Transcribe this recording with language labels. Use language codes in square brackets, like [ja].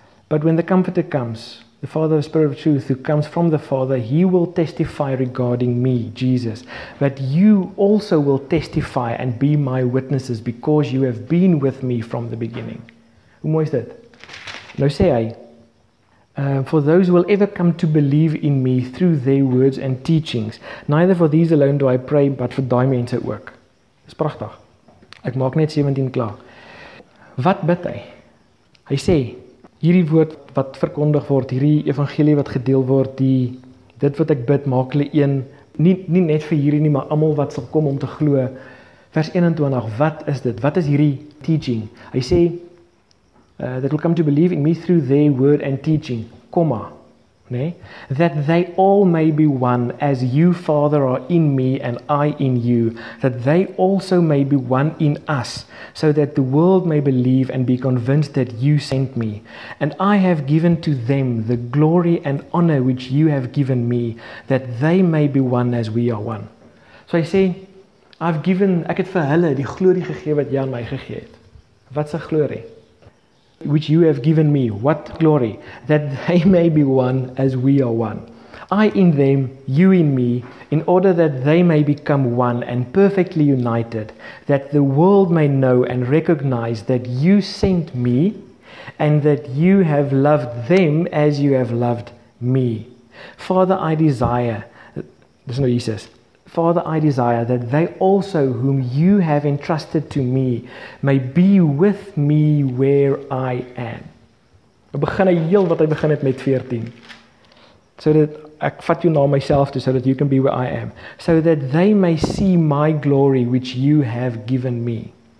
[en] But when the Comforter comes, the Father of Spirit of Truth, who comes from the Father, he will testify regarding me, Jesus, that you also will testify and be my witnesses, because you have been with me from the beginning. [af] Hoe mooi is dit? [en] Nou sê hy, for those who will ever come to believe in me through their words and teachings, neither for these alone do I pray, but for [af] die mense ook. Dis prachtig. Ek maak net 17 klaar. Wat bid hy? Hy sê, hierdie woord wat verkondig word, hierdie evangelie wat gedeel word, dit wat ek bid, maak hulle een, nie net vir hierdie nie, maar allemaal wat sal kom om te glo. Vers 21, wat is dit? Wat is hierdie teaching? Hy sê, [en] that will come to believe in me through their word and teaching, comma, nay, that they all may be one as you, Father, are in me and I in you, that they also may be one in us, so that the world may believe and be convinced that you sent me. And I have given to them the glory and honor which you have given me, that they may be one as we are one. So I say, [af] ek het vir hulle die glorie gegee wat jy aan my gegee het. Wat 'n glorie? [en] Which you have given me, what glory, that they may be one as we are one. I in them, you in me, in order that they may become one and perfectly united, that the world may know and recognize that you sent me and that you have loved them as you have loved me. Father, I desire, listen to Jesus. Father, I desire that they also whom you have entrusted to me may be with me where I am. We begin [af] heel wat hy begin het met 14. [en] So that [af] ek vat jou na myself toe, [en] so that you can be where I am. So that they may see my glory which you have given me.